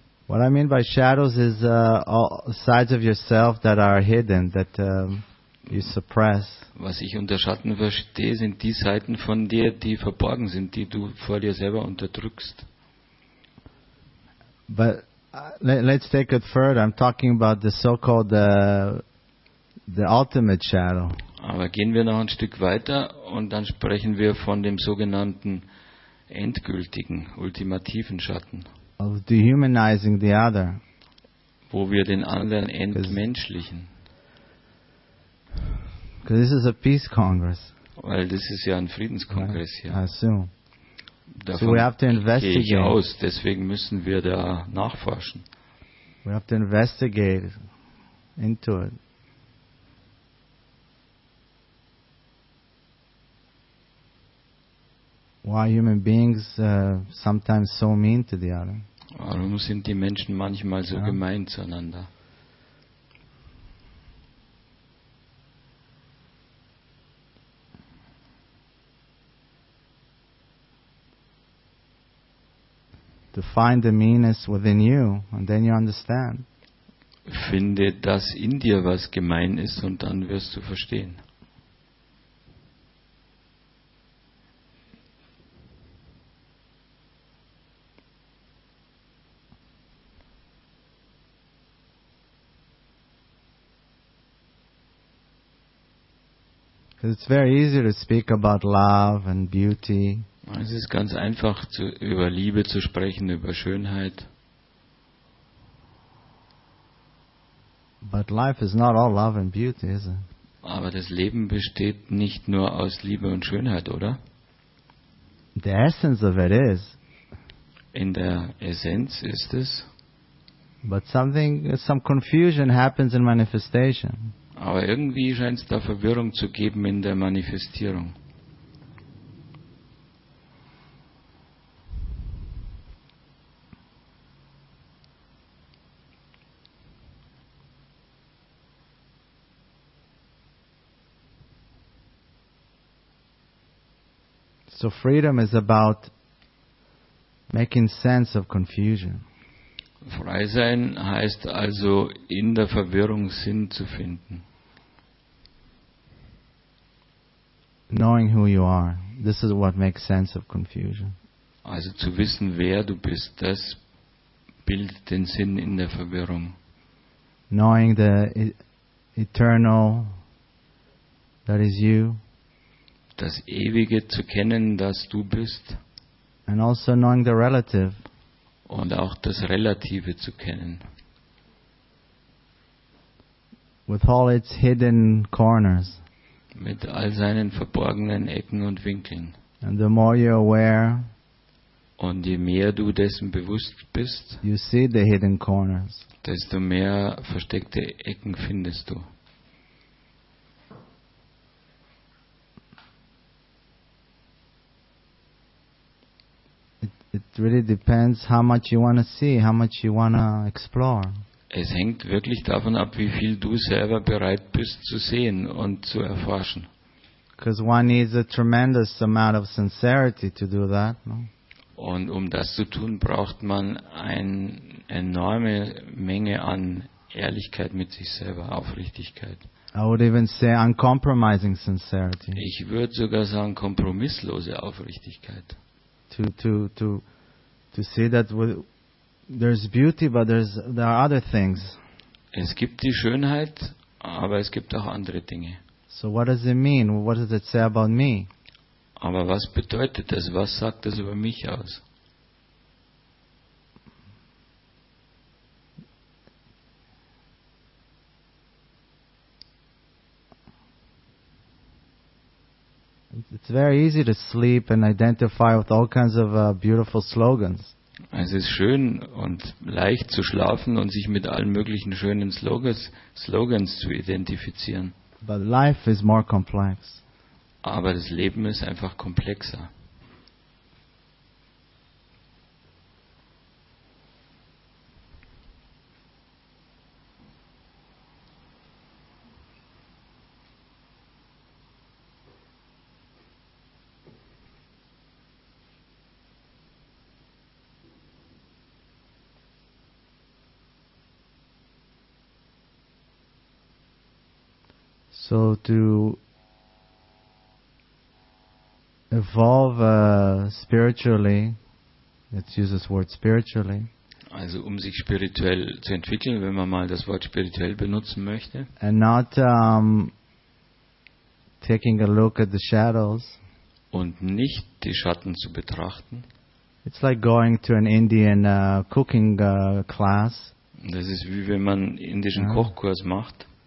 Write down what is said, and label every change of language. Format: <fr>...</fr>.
<en>What I mean by shadows is all sides of yourself that are hidden, that you suppress.</en> <de>Was ich unter Schatten verstehe, sind die Seiten von dir, die verborgen sind, die du vor dir selber unterdrückst.</de> <en>But let's take it further. I'm talking about the so-called the ultimate shadow.</en> <de>Aber gehen wir noch ein Stück weiter und dann sprechen wir von dem sogenannten endgültigen, ultimativen Schatten.</de> <en>Of dehumanizing the other.</en> <de>Wo wir den anderen entmenschlichen.</de> <en>Because this is a peace congress.</en> <de>Weil das ist ja ein Friedenskongress hier.</de> <en>I assume.</en> <de>Davon</de> <en>so we have to investigate.</en> <de>Gehe ich aus, deswegen müssen wir da nachforschen.</de> <en>We have to investigate into it. Why human beings sometimes so mean to the other?</en> <de>Warum sind die Menschen manchmal so gemein zueinander?</de> <en>To find the meanness within you, and then you understand.</en> <de>Finde das in dir, was gemein ist, und dann wirst du verstehen.</de> <en>Because it's very easy to speak about love and beauty.</en> <de>Es ist ganz einfach, über Liebe zu sprechen, über Schönheit.</de> <en>But life is not all love and beauty, is it?</en> <de>Aber das Leben besteht nicht nur aus Liebe und Schönheit, oder?</de> <en>The essence of it is.</en> <de>In der Essenz ist es.</de> <en>But something, some confusion happens in manifestation.</en> <de>Aber irgendwie scheint es da Verwirrung zu geben in der Manifestierung.</de> <en>So freedom is about making sense of confusion.</en> <de>Frei sein heißt also, in der Verwirrung Sinn zu finden.</de> <en>Knowing who you are, this is what makes sense of confusion.</en> <de>Also zu wissen, wer du bist, das bildet den Sinn in der Verwirrung.</de> <en>Knowing the eternal, that is you.</en> <de>Das Ewige zu kennen, das du bist.</de> <en>And also knowing the relative.</en> <de>Und auch das Relative zu kennen.</de> <en>With all its hidden corners.</en> <de>Mit all seinen verborgenen Ecken und Winkeln.</de> <en>And the more you're aware,</en> <de>und je mehr du dessen bewusst bist,</de> <en>you see the hidden corners.</en> <de>Desto mehr versteckte Ecken findest du.</de> <en>It really depends how much you want to see, how much you want to explore.</en> <de>Es hängt wirklich davon ab, wie viel du selber bereit bist zu sehen und zu erforschen.</de> <en>Because one needs a tremendous amount of sincerity to do that. No?</en> <de>Und um das zu tun, braucht man eine enorme Menge an Ehrlichkeit mit sich selber, Aufrichtigkeit.</de> <en>I would even say uncompromising sincerity.</en> <de>Ich würde sogar sagen kompromisslose Aufrichtigkeit.</de> <en>To see that there's beauty, but there are other things.</en> <de>Es gibt die Schönheit, aber es gibt auch andere Dinge.</de> <en>So what does it mean? What does it say about me?</en> <de>Aber was bedeutet das? Was sagt das über mich aus?</de> <en>It's very easy to sleep and identify with all kinds of beautiful slogans.</en> <de>Es ist schön und leicht zu schlafen und sich mit allen möglichen schönen Slogans zu identifizieren.</de> <en>But life is more complex.</en> <de>Aber das Leben ist einfach komplexer.</de> <en>So to evolve spiritually, let's use this word spiritually.</en> <de>Also um sich spirituell zu entwickeln, wenn man mal das Wort spirituell benutzen möchte.</de> <en>And not taking a look at the shadows.</en> <de>Und nicht die Schatten zu betrachten.</de> <en>It's like going to an Indian cooking class.</en> <de>Das ist wie wenn man indischen Kochkurs macht.</de>